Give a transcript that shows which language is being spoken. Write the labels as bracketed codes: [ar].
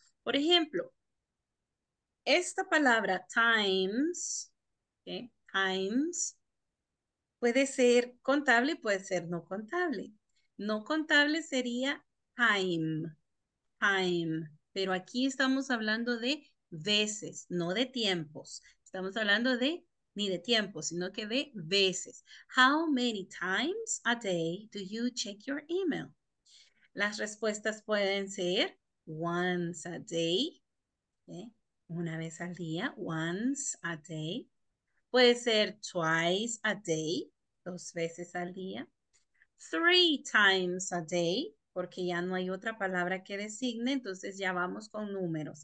[es] Por ejemplo, esta palabra times, okay, times, puede ser contable y puede ser no contable. No contable sería time, time. Pero aquí estamos hablando de veces, no de tiempos. Estamos hablando de ni de tiempo, sino que de veces. [en] How many times a day do you check your email? [es] Las respuestas pueden ser [en] once a day, [es] okay, una vez al día, once a day. Puede ser [en] twice a day, [es] dos veces al día. [en] Three times a day, [es] porque ya no hay otra palabra que designe, entonces ya vamos con números.